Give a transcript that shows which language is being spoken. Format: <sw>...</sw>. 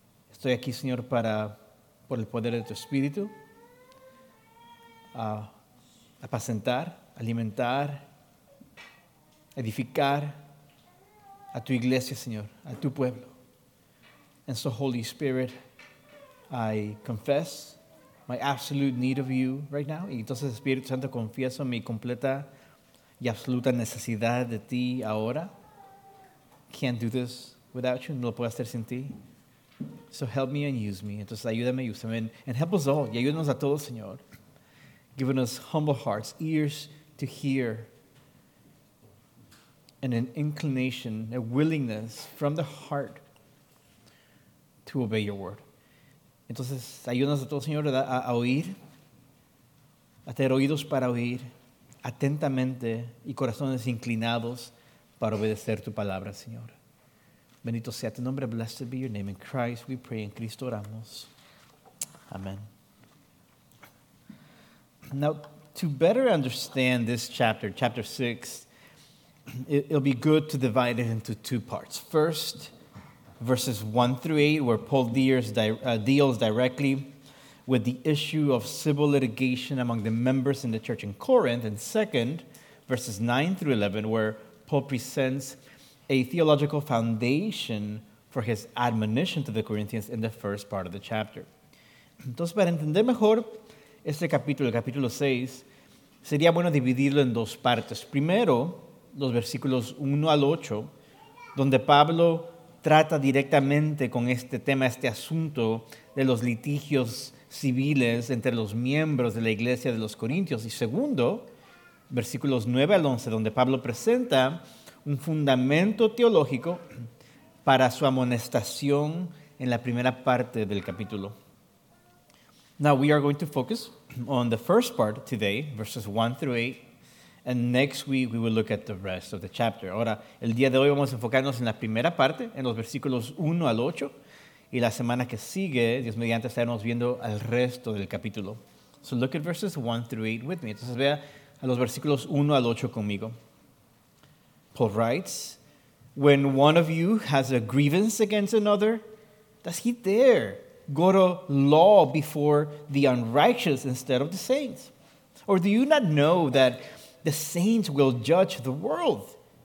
<es>Estoy aquí, Señor, para, por el poder de tu espíritu, apacentar, alimentar, edificar a tu iglesia, Señor, a tu pueblo.</es> <en>And so, Holy Spirit, I confess my absolute need of you right now.</en> <es>Y entonces, Espíritu Santo, confieso mi completa y absoluta necesidad de ti ahora.</es> <en>Can't do this without you.</en> <es>No lo puedo hacer sin ti.</es> <en>So help me and use me.</en> <es>Entonces, ayúdame y úsame.</es> <en>And help us all.</en> <es>Y ayúdanos a todos, Señor.</es> <en>Giving us humble hearts, ears to hear, and an inclination, a willingness from the heart to obey your word.</en> <es>Entonces, ayúdanos a todos, Señor, a oír, a tener oídos para oír atentamente y corazones inclinados para obedecer tu palabra, Señor. Bendito sea tu nombre,</es> <en>blessed be your name. In Christ we pray,</en> <es>en Cristo oramos.</es> <en>Amen. Now, to better understand this chapter, chapter 6, it'll be good to divide it into two parts. First, verses 1 through 8, where Paul deals directly with the issue of civil litigation among the members in the church in Corinth. And second, verses 9 through 11, where Paul presents a theological foundation for his admonition to the Corinthians in the first part of the chapter.</en> <es>Entonces, para entender mejor este capítulo, el capítulo 6, sería bueno dividirlo en dos partes. Primero, los versículos 1 al 8, donde Pablo trata directamente con este tema, este asunto de los litigios civiles entre los miembros de la iglesia de los corintios. Y segundo, versículos 9 al 11, donde Pablo presenta un fundamento teológico para su amonestación en la primera parte del capítulo.</es> <en>Now we are going to focus on the first part today, verses 1 through 8. And next week, we will look at the rest of the chapter.</en> <es>Ahora, el día de hoy vamos a enfocarnos en la primera parte, en los versículos 1 al 8. Y la semana que sigue, Dios mediante, estaremos viendo el resto del capítulo.</es> <en>So look at verses 1 through 8 with me.</en> <es>Entonces vea a los versículos 1 al 8 conmigo.</es> <en>Paul writes, "When one of you has a grievance against another, does he dare go to law before the unrighteous instead of the saints? Or do you not know that the saints will judge the world?</en>